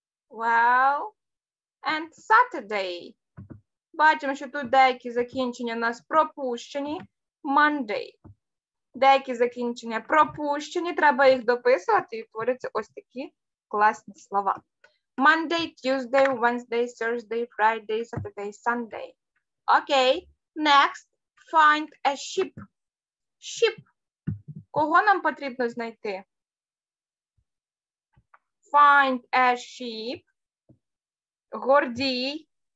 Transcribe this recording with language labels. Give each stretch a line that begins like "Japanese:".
English: Well. And Saturday.
Ukrainian: Бачимо, що тут деякі закінчення у нас пропущені.
English: Monday.
Ukrainian: Деякі закінчення пропущені. Треба їх дописувати і творяться ось такі класні слова.
English: Monday, Tuesday, Wednesday, Thursday, Friday, Saturday, Sunday. Окей, next. Find a sheep. Sheep.
Ukrainian: Кого нам потрібно знайти?
English: Find a sheep. Гордій.